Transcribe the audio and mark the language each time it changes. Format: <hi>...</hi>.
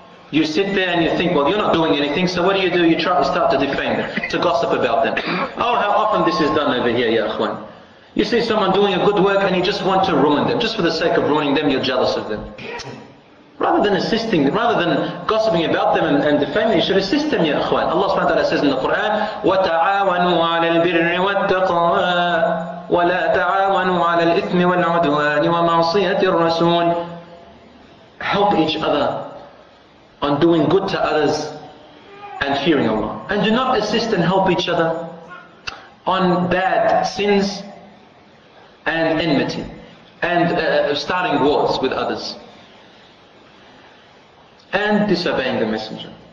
<en>You sit there and you think, well, you're not doing anything, so what do? You try to start to defame them, to gossip about them. Oh, how often this is done over here, ya akhwan. You see someone doing a good work and you just want to ruin them. Just for the sake of ruining them, you're jealous of them. Rather than assisting, rather than gossiping about them and defaming them, you should assist them, ya akhwan. Allah subhanahu wa ta'ala says in the Quran,</en> <ar>وَتَعَاوَنُوا عَلَى الْبِرِّ وَالتَّقْوَى وَلَا تَعَاوَنُوا عَلَى الْإِثْمِ وَالْعُدْوَانِ وَمَعْصِيَةِ الرَّسُولِ.</ar> <en>Help each other on doing good to others and fearing Allah. And do not assist and help each other on bad sins and enmity, and starting wars with others, and disobeying the messenger.</en>